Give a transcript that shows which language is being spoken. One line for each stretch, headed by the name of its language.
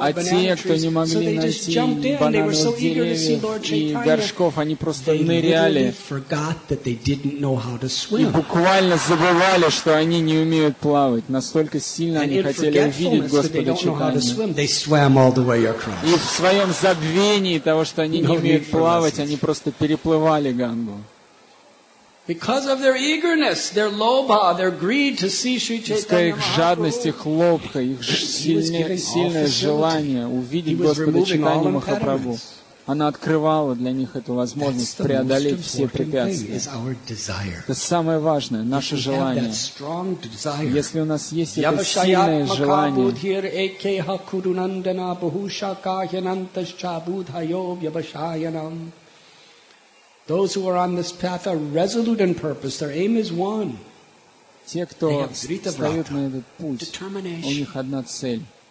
Russian: А те, кто не могли найти банановых деревьев и горшков, они просто ныряли и буквально забывали, что они не умеют плавать. Настолько сильно они хотели увидеть Господа Читания. И в своем забвении того, что они не умеют плавать, они просто переплывали Гангу.
English: Because of their eagerness, their lobha, their greed to see Sri Chaitanya
Russian: Mahaprabhu, хлопка, их сильное желание увидеть Господа Чайтанья Махапрабху. Она открывала для них эту возможность преодолеть все препятствия. Это самое важное, наше желание. Если у нас есть это сильное желание,
English: those who are on this path are resolute in purpose. Their aim is one.
Russian: Те, кто встает на этот путь, у них одна цель.